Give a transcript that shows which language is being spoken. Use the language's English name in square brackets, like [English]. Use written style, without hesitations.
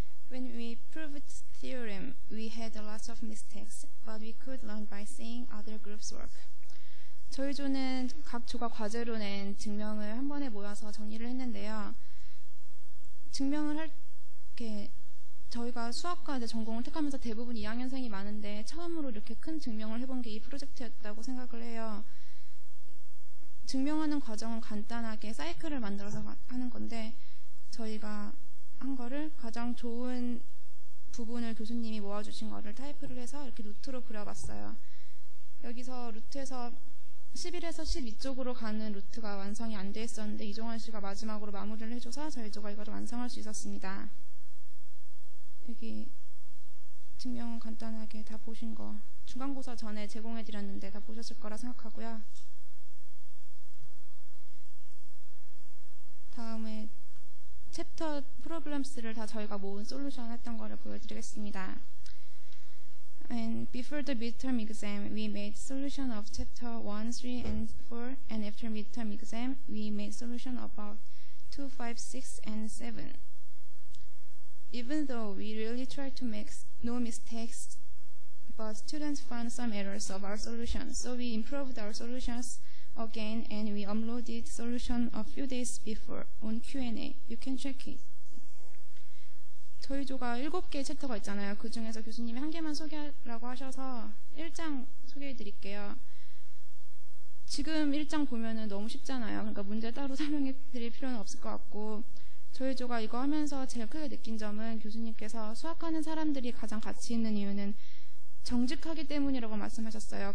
[English] When we proved theorem, we had a lot of mistakes, but we could learn by seeing other groups' work. [Korean] 저희 조는 각 조가 과제로 낸 증명을 한 번에 모여서 정리를 했는데요. 증명을 할 게 저희가 수학과에 전공을 택하면서 대부분 2학년생이 많은데 처음으로 이렇게 큰 증명을 해본 게 이 프로젝트였다고 생각을 해요. 증명하는 과정은 간단하게 사이클을 만들어서 하는 건데 저희가 한 거를 가장 좋은 부분을 교수님이 모아주신 거를 타이프를 해서 이렇게 루트로 그려봤어요. 여기서 루트에서 11에서 12쪽으로 가는 루트가 완성이 안 됐었는데 이종환 씨가 마지막으로 마무리를 해줘서 저희 조가 이걸 완성할 수 있었습니다. 여기 증명은 간단하게 다 보신 거 중간고사 전에 제공해드렸는데 다 보셨을 거라 생각하고요. 다음에 챕터 프로블럼스를 다 저희가 모은 솔루션 했던 거를 보여드리겠습니다. [English] And before the midterm exam, we made solution of chapter 1, 3, and 4. And after midterm exam, we made solution about 2, 5, 6, and 7. Even though we really tried to make no mistakes, but students found some errors of our solution. So we improved our solutions again, and we uploaded solution a few days before on Q&A. You can check it. [Korean] 저희 조가 7개의 챕터가 있잖아요. 그 중에서 교수님이 한 개만 소개하라고 하셔서 1장 소개해드릴게요. 지금 1장 보면은 너무 쉽잖아요. 그러니까 문제 따로 설명해드릴 필요는 없을 것 같고 저희 조가 이거 하면서 제일 크게 느낀 점은 교수님께서 수학하는 사람들이 가장 가치 있는 이유는 정직하기 때문이라고 말씀하셨어요.